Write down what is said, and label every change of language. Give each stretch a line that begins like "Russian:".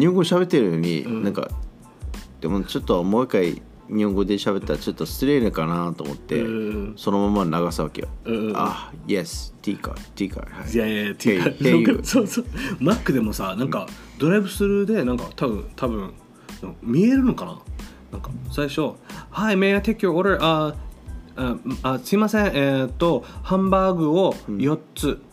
Japanese: 日本語喋ってるのに、うん、なんかでもちょっともう一回日本語で喋ったらちょっと失礼かなと思ってそのまま流すわけよ。あ、Yes、ティーカー、ティーカー、はい。いやいや、ティーカー、そうそう。Mac でもさ、なんかドライブスルーでなんか多分見えるのかな。
English: なんか最初、Hi, may I take your order?
Japanese: すいません、ハンバーグを4つ。